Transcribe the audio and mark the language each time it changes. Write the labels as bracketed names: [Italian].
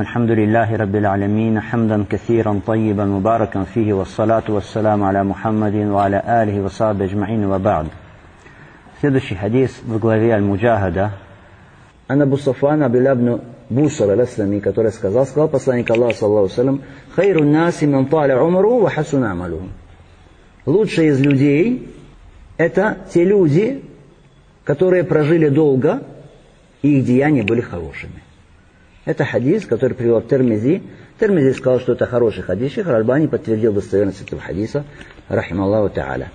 [Arabic] الحمد لله رب العالمين، حمدا كثيرا طيبا مباركا فيه، والصلاة والسلام على محمد وعلى آله وصحبه أجمعين، وبعد. [Russian] Следующий хадис в главе Аль-Муджахада. [Arabic] عن أبو صفوان عبد الله بن بوصر الأسلمي [Russian] который сказал посланник Аллаха [Arabic] صلى الله عليه وسلم خير الناس من طال عمره وحسن عمله. [Russian] Лучшие из людей это те люди, которые прожили долго и их деяния были хорошими. Это хадис, который привел Тирмизи. Тирмизи сказал, что это хороший хадис. Шейх Аль-Албани подтвердил достоверность этого хадиса. Рахималлаху та'аля.